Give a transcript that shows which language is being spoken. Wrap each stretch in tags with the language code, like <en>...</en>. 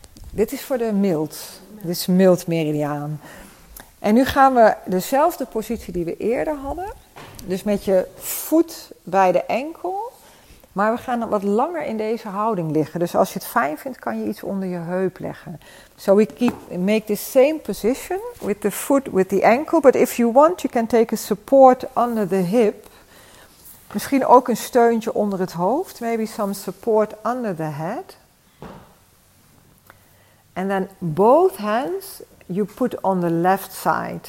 <nl>Dit is voor de mild. Dit is mild meridiaan. En nu gaan we dezelfde positie die we eerder hadden. Dus met je voet bij de enkel. Maar we gaan wat langer in deze houding liggen. Dus als je het fijn vindt, kan je iets onder je heup leggen.</nl> <en>So we make the same position with the foot with the ankle. But if you want, you can take a support under the hip.</en> <nl>Misschien ook een steuntje onder het hoofd.</nl> <en>Maybe some support under the head. And then both hands you put on the left side.</en>